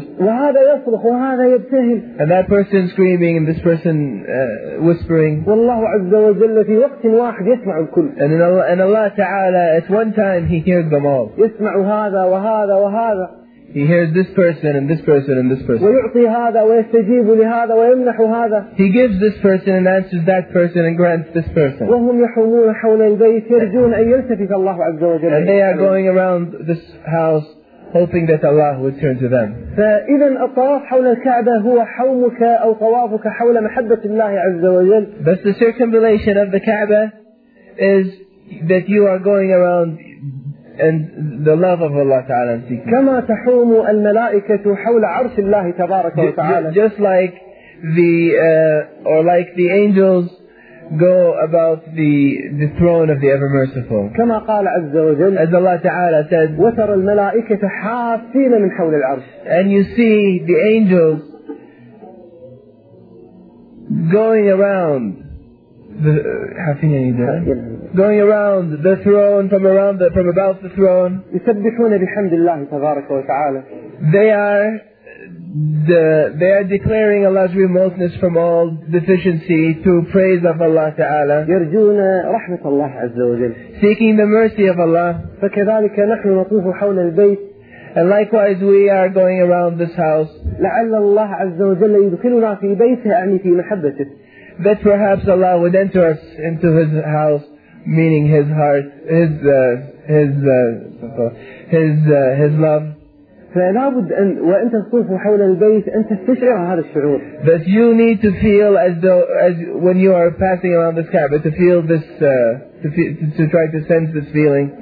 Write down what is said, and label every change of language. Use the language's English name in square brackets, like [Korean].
[English] And that person screaming, and this person whispering. And Allah Ta'ala, at one time, He hears them all. He hears this person and this person and this person. [Arabic] ويعطي هذا ويستجيب لهذا ويمنح هذا. [English] He gives this person and answers that person and grants this person. [Arabic] وهم يحومون حول البيت يرجون أن يلتفت الله عز وجل. [English] And they are going around this house hoping that Allah would turn to them. [Arabic] فإذا الطواف حول الكعبة هو حومك أو طوافك حول محبة الله عز وجل. [English] But the circumambulation of the Kaaba is that you are going around and the love of Allah Ta'ala and seeking. [Arabic] كما تحوم الملائكة حول عرش الله تبارك وتعالى. [English] Just like the angels go about the throne of the ever merciful. [Arabic] كما قال عز وجل. [English] As Allah Ta'ala said. [Arabic] وترى الملائكة حافين من حول العرش. [English] And you see the angels going around the throne from about the throne. [Arabic] يسبحون بحمد الله تبارك وتعالى. [English] They are declaring Allah's remoteness from all deficiency to praise of Allah Ta'ala. [Arabic] يرجون رحمة الله عز وجل. [English] Seeking the mercy of Allah. [Arabic] فكذلك نحن نطوف حول البيت. [English] And likewise, we are going around this house. [Arabic] لعل الله عز وجل يدخلنا في بيته أعني في محبته. [English] That perhaps Allah would enter us into His house meaning his heart, his love. [Arabic] فلا بد أن وأنت تطوف حول البيت أن تستشعر هذا الشعور. [English] That you need to feel as though as when you are passing around this Kaaba to feel this to try to sense this feeling.